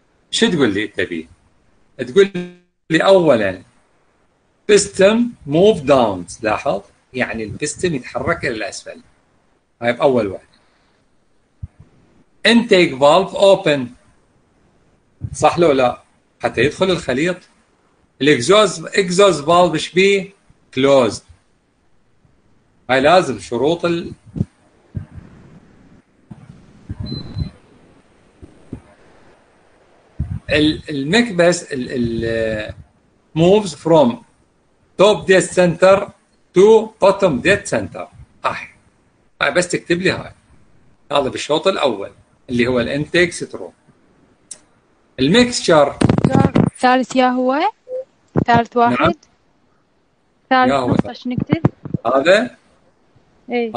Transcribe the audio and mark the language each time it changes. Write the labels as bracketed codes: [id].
[ar] شو تقول لي تبي؟ تقول لي اولا [en] piston move down, [ar] لاحظ يعني البيستم يتحرك الى الاسفل، هاي باول واحد. [en] انتيك فالف اوبن، [ar] صح لو لا؟ حتى يدخل الخليط. الاكزوز فالف ايش بيه؟ كلوزد. هاي لازم شروط ال المكبس ال [en] moves from top dead center to bottom dead center. [ar] هاي بس تكتب لي هاي، هذا بالشوط الأول اللي هو ال intake stroke. [en] المكسشر [ar] ثالث يا هو ثالث واحد ثالث نقطة نكتب هذا إيه؟